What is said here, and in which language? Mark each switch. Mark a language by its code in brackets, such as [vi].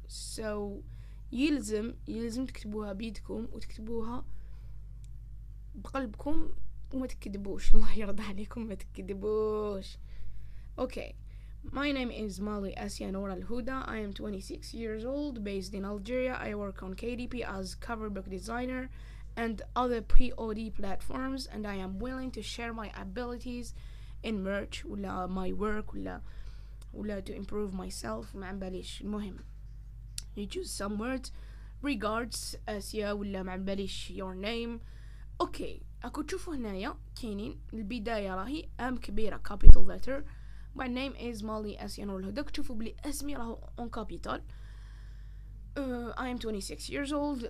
[ar] سو يلزم تكتبوها بيدكم وتكتبوها بقلبكم وما تكذبوش. الله يرضى عليكم ما تكذبوش. [en] Okay my name is مالي اسيا نورا الهدى، I am 26 years old based in Algeria. I work on KDP as cover book designer and other POD platforms, and I am willing to share my abilities in merch ولا my work ولا to improve myself. [ar] ما عمباليش المهم [en] you choose some words. [ar] Regards اسيا ولا ما عمباليش [en] your name. [ar] اوكي اكو تشوفوا هنايا كاينين البدايه راهي ام كبيره [en] capital letter. My name is Molly Asiano Lhudak. [ar] تشوفوا بلي اسمي راهو اون كابيتال. [en] I am 26 years old.